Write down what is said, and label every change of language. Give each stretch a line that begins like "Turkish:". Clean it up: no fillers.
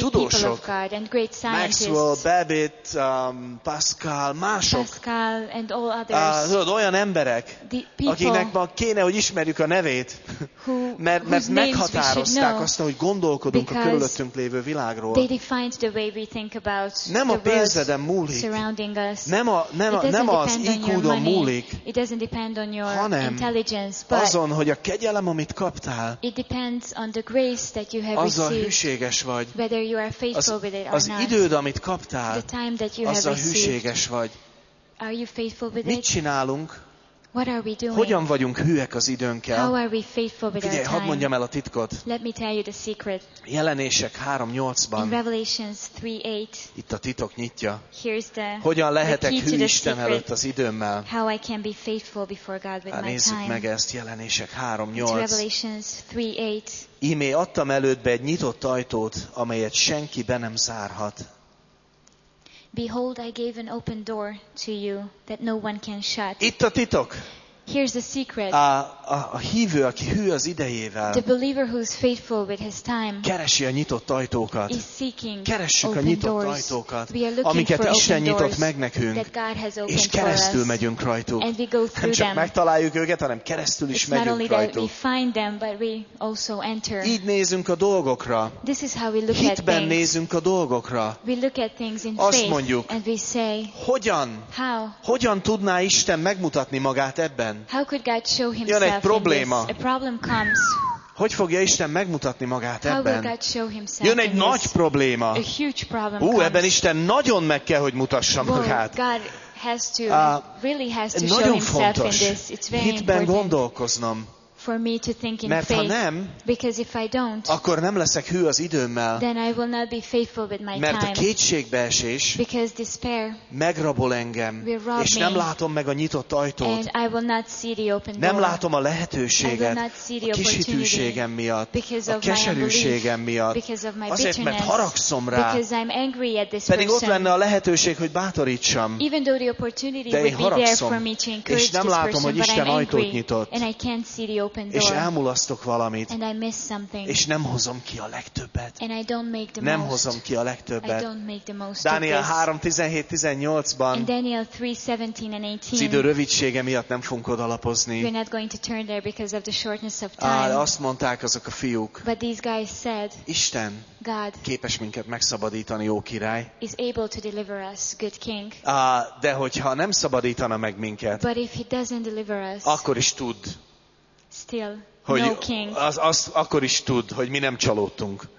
Hungarian: tudósok,
English: people of God and great scientists.
Hungarian: Maxwell, Babbitt, Pascal, mások.
English: Pascal and all others.
Hungarian: Tudod, olyan emberek, akiknek ma kéne, hogy ismerjük a nevét, mert meghatározták azt, hogy gondolkodunk a körülöttünk lévő világról.
English: They defined the way we think about the world.
Hungarian: Nem a pénzeden múlik.
English: Surrounding us.
Hungarian: Nem az IQ-on múlik.
English: It doesn't depend on your intelligence, but
Hungarian: azon, hogy a kegyelem, amit kaptál,
English: it depends on the grace that you have received.
Hungarian: Azzal hűséges vagy.
English: Whether you are faithful with it or not.
Hungarian: Az időd, amit kaptál, azzal hűséges vagy.
English: Are you faithful with it?
Hungarian: Mit csinálunk?
English: What are we doing?
Hungarian: Hogyan vagyunk hűek az időnkkel?
English: How are we faithful with our time?
Hungarian: Hadd mondjam el a titkot.
English: Let me tell you the secret.
Hungarian: Jelenések 3:8-ban.
English: In Revelations 3:8.
Hungarian: Itt a titok nyitja.
English: Here's the.
Hungarian: Hogyan lehetek hű Isten előtt az időmmel?
English: How I can be faithful before God with my time.
Hungarian: Nézzük meg ezt, Jelenések 3:8.
English: Revelations 3:8.
Hungarian: Ímé adtam elődbe egy nyitott ajtót, amelyet senki be nem zárhat.
English: Behold, I gave an open door to you that no one can shut.
Hungarian: Itt a titok.
English: Here's the secret.
Hungarian: A hívő, aki hű az idejével.
English: The believer who's faithful with his time.
Hungarian: Keresi a nyitott ajtókat.
English: Is seeking.
Hungarian: Keressük a nyitott ajtókat, amiket Isten nyitott meg nekünk, és keresztül megyünk rajtuk.
English: And we go through them.
Hungarian: Nem csak megtaláljuk őket, hanem keresztül is megyünk rajtuk.
English: It's not only that we find them, but we also enter.
Hungarian: Így nézünk a dolgokra.
English: This is how we look at things.
Hungarian: Hitben nézünk a dolgokra.
English: We look at things in faith.
Hungarian: Azt mondjuk,
English: and we say,
Hungarian: hogyan?
English: How?
Hungarian: Hogyan tudná Isten megmutatni magát ebben?
English: How could God show himself?
Hungarian: Egy probléma.
English: A problem comes.
Hungarian: Hogy fogja Isten megmutatni magát ebben?
English: How will God show himself?
Hungarian: Jön egy nagy probléma.
English: A huge problem.
Hungarian: Ebben Isten nagyon meg kell, hogy mutassa magát.
English: God has to really has to show himself in this. It's very important.
Hungarian: Hitben gondolkoznom.
English: For me to think in
Hungarian: mert
English: faith.
Hungarian: Ha nem,
English: because if I don't,
Hungarian: akkor nem leszek hű az időmmel.
English: Then I will not be faithful with my time.
Hungarian: Mert a kétségbeesés megrabol engem, és nem látom meg a nyitott ajtót.
English: And I will not see the open door.
Hungarian: Nem látom a lehetőséget.
English: I will not see the
Hungarian: a kis hitűségem miatt,
English: because of
Hungarian: a keserűségem miatt,
English: because of my
Hungarian: azért, mert haragszom rá.
English: Because I'm angry at this
Hungarian: pedig
English: person.
Hungarian: Ott lenne a lehetőség, hogy bátorítsam.
English: Even though the opportunity
Hungarian: de
English: would
Hungarian: én haragszom,
English: be there for me to encourage
Hungarian: és nem látom,
English: person,
Hungarian: hogy Isten ajtót nyitott.
English: And I can't see the open
Hungarian: és elmulasztok valamit,
English: and I miss something.
Hungarian: És nem hozom ki a legtöbbet.
English: And I don't make the
Hungarian: nem
English: most.
Hungarian: Hozom ki a legtöbbet.
English: I don't make the most.
Hungarian: Dániel 3:17-18-ban az idő rövidsége miatt nem fogunk odalapozni.
English: We're not going to turn there because of the shortness of time.
Hungarian: Azt mondták azok a fiúk.
English: But these guys said,
Hungarian: Isten
English: God
Hungarian: képes minket megszabadítani, jó király.
English: Is able to deliver us, good king.
Hungarian: De hogyha nem szabadítana meg minket,
English: but if he doesn't deliver us,
Hungarian: akkor is tud.
English: Still,
Hungarian: hogy
English: no king.
Hungarian: Az akkor is tud, hogy mi nem csalódtunk.